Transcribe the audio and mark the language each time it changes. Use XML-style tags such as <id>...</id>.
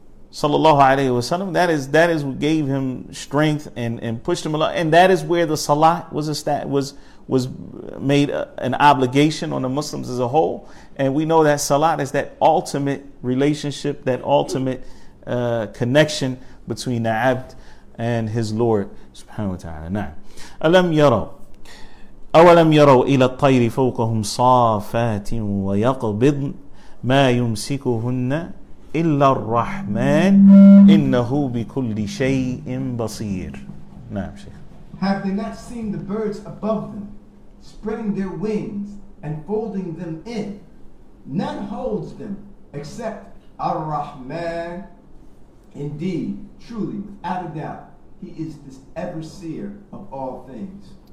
<en>Sallallahu alayhi wa sallam, that is what gave him strength and pushed him along. And that is where the salat was made an obligation on the Muslims as a whole. And we know that salat is that ultimate relationship, that ultimate connection between the abd and his Lord subhanahu wa ta'ala.</en> <ar>Na'am. ألم يروا إلى الطير فوقهم صافات ويقبض ما يمسكهن إلا الرحمن إنه بكل شيء بصير. نعم شيخ.</ar> <en>Have they not seen the birds above them spreading their wings and folding them in? None holds them except Ar-Rahman. Indeed, truly, without a doubt, He is this ever seer of all things.</en>